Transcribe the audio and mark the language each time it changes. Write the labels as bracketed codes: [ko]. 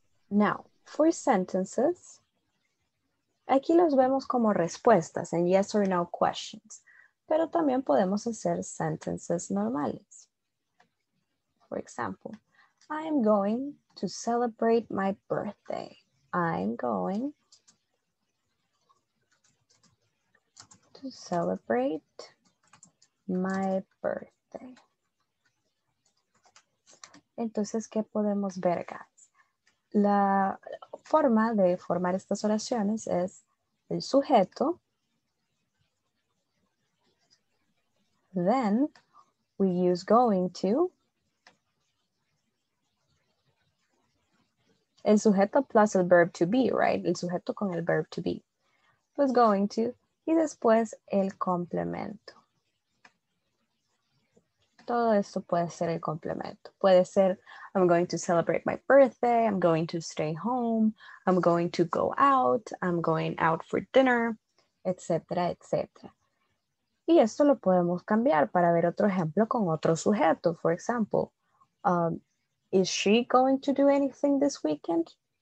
[en] Now, for sentences, [es] aquí los vemos como respuestas en [en] yes or no questions, [es] pero también podemos hacer sentences normales. [en] For example, I'm going to celebrate my birthday. I'm going to celebrate my birthday. [es] Entonces, ¿qué podemos ver, guys? La forma de formar estas oraciones es el sujeto. [en] Then, we use going to. [es] El sujeto plus el verb to be, right? El sujeto con el verb to be. Plus going to. Y después, el complemento. Todo esto puede ser el complemento. Puede ser, [en] I'm going to celebrate my birthday, I'm going to stay home, I'm going to go out, I'm going out for dinner, etc., etc. [es] Y esto lo podemos cambiar para ver otro ejemplo con otro sujeto. [en] For example, is she going to do anything this weekend?